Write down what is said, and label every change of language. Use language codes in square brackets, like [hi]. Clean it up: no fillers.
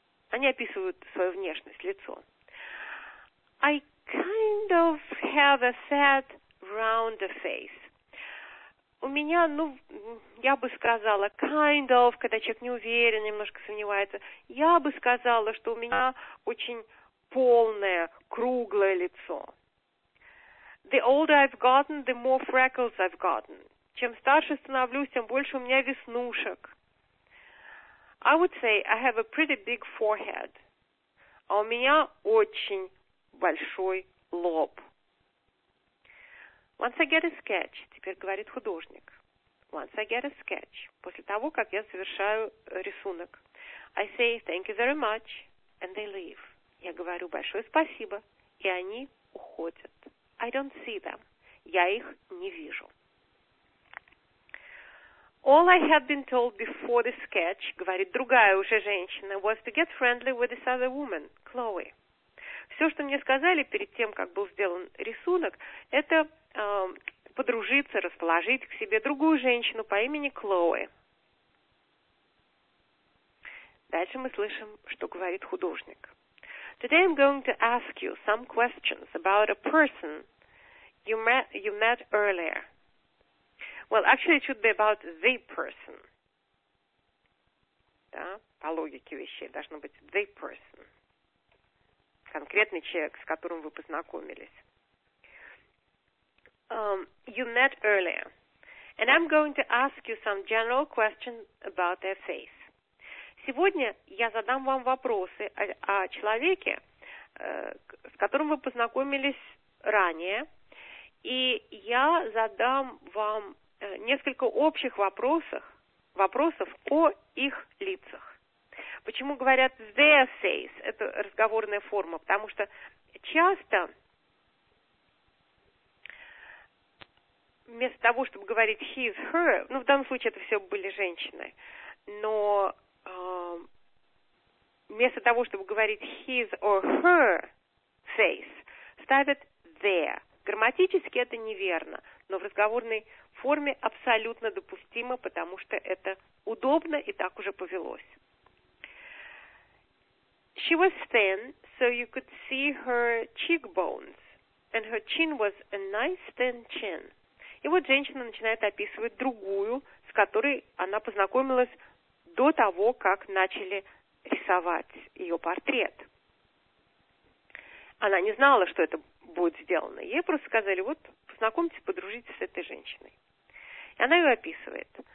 [ru] Они описывают свою внешность, лицо. [en] I kind of have a sad around the face. [ru] У меня, ну, я бы сказала, [en] kind of, [ru] когда человек не уверен, немножко сомневается. Я бы сказала, что у меня очень полное, круглое лицо. [en] The older I've gotten, the more freckles I've gotten. [ru] Чем старше становлюсь, тем больше у меня веснушек. [en] I would say I have a pretty big forehead. [ru] А у меня очень большой лоб. [en] Once I get a sketch, [ru] теперь говорит художник. [en] Once I get a sketch, [ru] после того, как я совершаю рисунок. [en] I say thank you very much, and they leave. [ru] Я говорю большое спасибо, и они уходят. [en] I don't see them. [ru] Я их не вижу. [en] All I had been told before the sketch, [ru] говорит другая уже женщина, [en] was to get friendly with this other woman, Chloe. [ru] Все, что мне сказали перед тем, как был сделан рисунок, это подружиться, расположить к себе другую женщину по имени Chloe. Дальше мы слышим, что говорит художник. [en] Today I'm going to ask you some questions about a person you met earlier. Well, actually, it should be about the person. [ru] Да, по логике вещей должно быть [en] the person. [ru] Конкретный человек, с которым вы познакомились. [en] You met earlier. And I'm going to ask you some general questions about their face. [ru] Сегодня я задам вам вопросы о человеке, с которым вы познакомились ранее. И я задам вам несколько общих вопросов о их лицах. Почему говорят [en] their face? [ru] Это разговорная форма, потому что часто вместо того, чтобы говорить [en] his, her, [ru] ну, в данном случае это все были женщины, но вместо того, чтобы говорить [en] his or her face, [ru] ставят their. Грамматически это неверно, но в разговорной форме абсолютно допустимо, потому что это удобно и так уже повелось. [en] She was thin, so you could see her cheekbones, and her chin was a nice thin chin. [ru] И вот женщина начинает описывать другую, с которой она познакомилась до того, как начали рисовать ее портрет. Она не знала, что это будет сделано. Ей просто сказали, вот, познакомьтесь, подружитесь с этой женщиной. И она ее описывает.